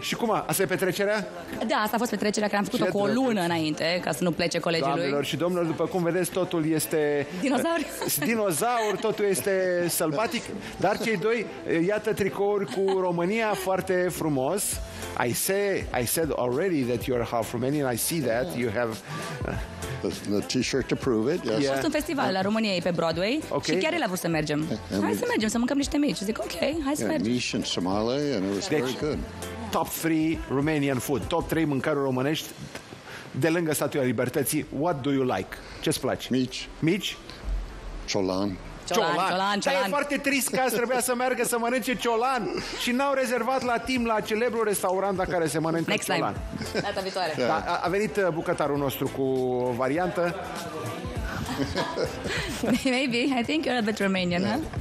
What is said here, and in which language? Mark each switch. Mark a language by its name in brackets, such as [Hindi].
[Romanian] Și cum? Asta e petrecerea? Da, asta a fost petrecerea, că am făcut-o cu o lună înainte, ca să nu plece colegii lui. Doamnelor și domnilor, după cum vedeți, totul este... Dinozaur, totul este sălbatic. Dar cei doi, iată tricouri cu România, foarte frumos. [English] I said already that you're half Romanian. I see that you have the t-shirt to prove it. Yes. [Romanian] Yeah. Sunt un festival la România pe Broadway. [English] Okay. [Romanian] Și chiar el a vrut să mergem. Hai să mergem, să mâncăm niște mici. Zic, ok, hai să mergem. [English] Mici and somale, and it was very good. Top 3 Romanian food. [Romanian] Top 3 mâncăruri românești de lângă Statuia Libertății. [English] What do you like? [Romanian] Ce-ți place? Mici. Ciolan. Ciolan. E foarte trist că azi trebuia să meargă să mănânce ciolan și n-au rezervat la timp la celebrul restaurant la care se mănâncă [English] Next [Romanian] ciolan. Data viitoare. Da, a venit bucătarul nostru cu o variantă. [English] Maybe, I think you're a bit Romanian, huh?